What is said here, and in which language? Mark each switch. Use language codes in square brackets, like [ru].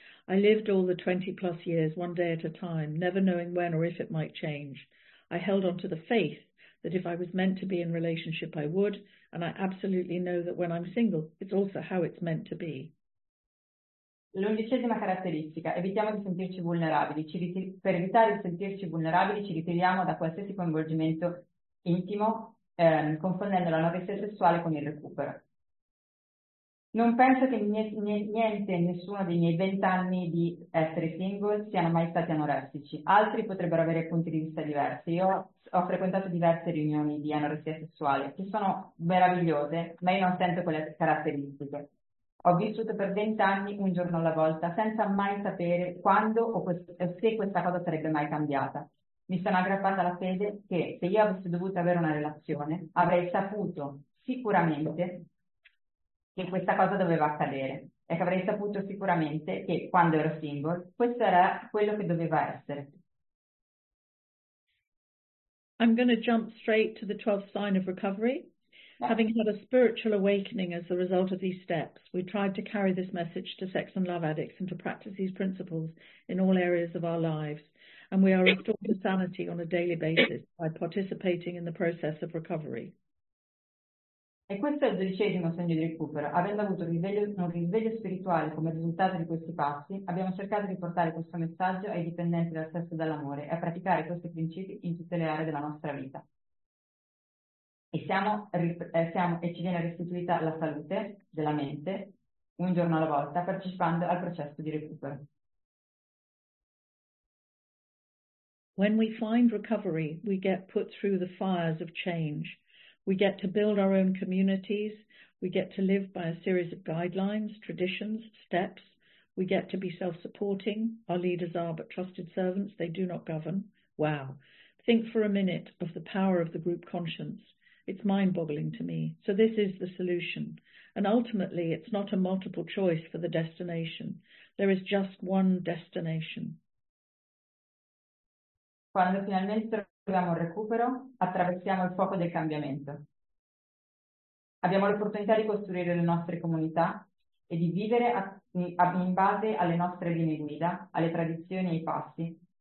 [en] I lived all the 20 plus years one day at a time, never knowing when or if it might change. I held on to the faith that if I was meant to be in relationship, I would, and I absolutely know that when I'm single, it's also how it's meant to be. [it] L'undicesima caratteristica, evitiamo di sentirci vulnerabili. Per evitare di sentirci vulnerabili ci ritiriamo da qualsiasi coinvolgimento intimo, confondendo la novità sessuale con il recupero. Non penso che niente, nessuno dei miei 20 anni di essere single siano mai stati anoressici. Altri potrebbero avere punti di vista diversi. Io ho frequentato diverse riunioni di anoressia sessuale, che sono meravigliose, ma io non sento quelle caratteristiche. Ho vissuto per 20 anni un giorno alla volta, senza mai sapere quando o se questa cosa sarebbe mai cambiata. Mi sono aggrappata alla fede che se io avessi dovuto avere una relazione, avrei saputo sicuramente che questa cosa doveva accadere. e che avrei saputo sicuramente che, quando ero single, questo era quello che doveva essere. [en] I'm going to jump straight to the 12th sign of recovery. Having had a spiritual awakening as a result of these steps, we tried to carry this message to sex and love addicts and to practice these principles in all areas of our lives. And we are restored to sanity on a daily basis by participating in the process of recovery. [it] E questo è il 12° segno di recupero. Avendo avuto un risveglio spirituale come risultato di questi passi, abbiamo cercato di portare questo messaggio ai dipendenti dal sesso e dall'amore e a praticare questi principi in tutte le aree della nostra vita. E ci viene restituita la salute della mente un giorno alla volta partecipando al processo di recupero. [en] When we find recovery, we get put through the fires of change. We get to build our own communities. We get to live by a series of guidelines, traditions, steps. We get to be self-supporting. Our leaders are but trusted servants. They do not govern. Wow. Think for a minute of the power of the group conscience. It's mind-boggling to me. So this is the solution. And ultimately, it's not a multiple choice for the destination. There is just one destination. [it] Quando finalmente troviamo il recupero, attraversiamo il fuoco del cambiamento. Abbiamo l'opportunità di costruire le nostre comunità e di vivere in base alle nostre linee guida, alle tradizioni e ai passi.